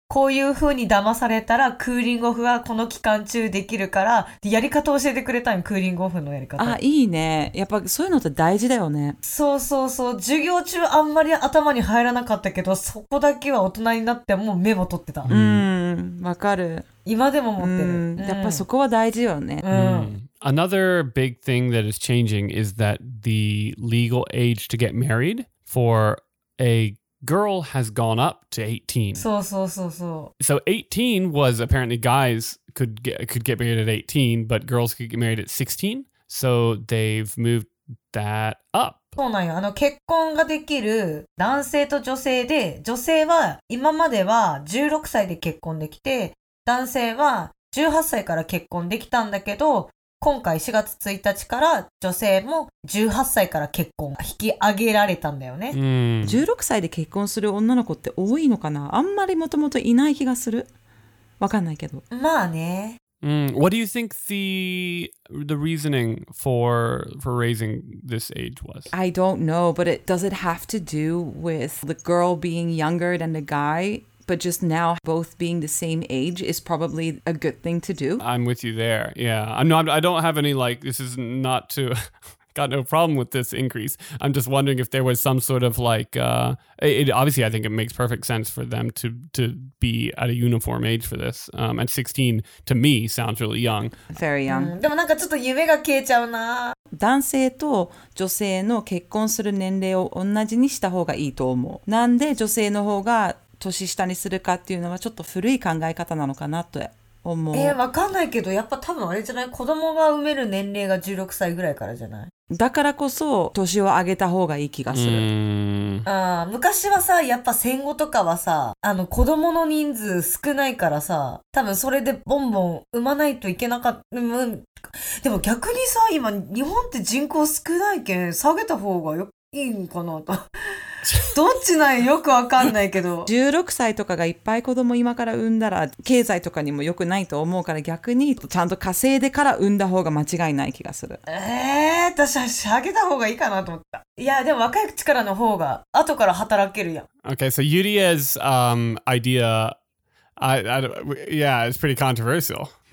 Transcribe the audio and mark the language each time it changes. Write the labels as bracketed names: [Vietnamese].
[Japanese] こういう風に騙されたらクーリングオフはこの期間中できるから、やり方を教えてくれたんよ、クーリングオフのやり方。あ、いいね。やっぱそういうのって大事だよね。そうそうそう。授業中あんまり頭に入らなかったけど、そこだけは大人になってもうメモ取ってた。わかる。今でも持ってる。やっぱそこは大事よね。 [English] Another big thing that is changing is that the legal age to get married for a girl has gone up to 18. [Japanese] そうそうそうそう。 [English] So 18 was apparently guys could get married at 18, but girls could get married at 16. So they've moved that up. [Japanese] そうなんよ。あの、結婚ができる男性と女性で、女性は今までは16歳で結婚できて、男性は18歳から結婚できたんだけど、今回4月1日から女性も18歳から結婚が引き上げられたんだよね。 16歳で結婚する女の子って多いのかな？あんまりもともといない気がする。わかんないけど。まあね。 [English] What do you think the reasoning for raising this age was? I don't know, but does it have to do with the girl being younger than the guy? But just now both being the same age is probably a good thing to do. I'm with you there. Yeah. I don't have any, like, this is not to... got no problem with this increase. I'm just wondering if there was some sort of like, it, obviously I think it makes perfect sense for them to be at a uniform age for this. And 16 to me sounds really young. Very young. [Japanese] でもなんかちょっと夢が消えちゃうな。男性と女性の結婚する年齢を同じにした方がいいと思う。なんで女性の方が年下にするかっていうのはちょっと古い考え方なのかなと。わかんないけど、やっぱ多分あれじゃない、子供が産める年齢が16歳ぐらいからじゃない。だからこそ年を上げた方がいい気がする。あ、昔はさ、やっぱ戦後とかはさ、あの子供の人数少ないからさ、多分それでボンボン産まないといけなかった、でも逆にさ、今日本って人口少ないけん下げた方がいいんかなと。どっちなんよくわかんないけど 16歳とかがいっぱい子供今から産んだら経済とかにも良くないと思うから、逆にちゃんと稼いでから産んだ方が間違いない気がする。私は下げた方がいいかなと思った。いや、でも若い力の方が後から働けるやん。 [English] Okay, so Yuria's idea, I don't, yeah, it's pretty controversial.